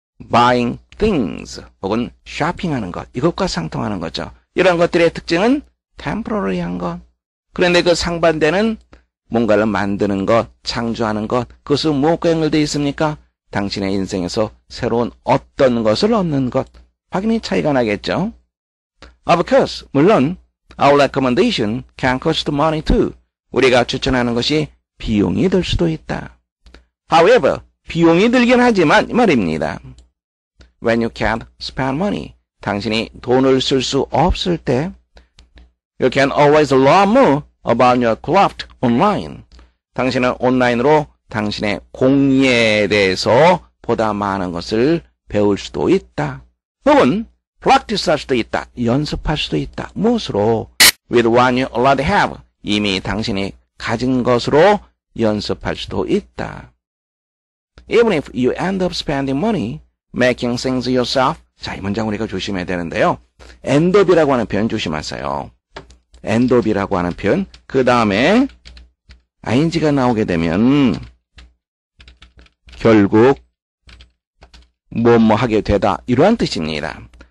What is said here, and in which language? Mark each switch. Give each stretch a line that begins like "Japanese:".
Korean: buying things 혹은 shopping하는 것, 이것과 상통하는 거죠. 이런 것들의 특징은 temporary한 것. 그런데 그 상반되는 뭔가를 만드는 것, 창조하는 것, 그것은 무엇과 연결되어 있습니까? 당신의 인생에서 새로운 어떤 것을 얻는 것. 확연히 차이가 나겠죠.
English: Of course, 물론 our recommendation can cost money too.
Korean: 우리가 추천하는 것이 비용이 들 수도 있다. However, 비용이 들긴 하지만 말입니다.
English: When you can't spend money,
Korean: 당신이 돈을 쓸 수 없을 때,
English: you can always learn more about your craft online.
Korean: 당신은 온라인으로 당신의 공예에 대해서 보다 많은 것을 배울 수도 있다. 혹은 practice 할 수도 있다. 연습할 수도 있다. 무엇으로?
English: With what you already have.
Korean: 이미 당신이 가진 것으로 연습할 수도 있다.
English: Even if you end up spending money, making things yourself.
Korean: 자, 이 문장 우리가 조심해야 되는데요. end up이라고 하는 표현 조심하세요. end up이라고 하는 표현. 그 다음에 ing가 나오게 되면 결국 뭐뭐 하게 되다. 이러한 뜻입니다.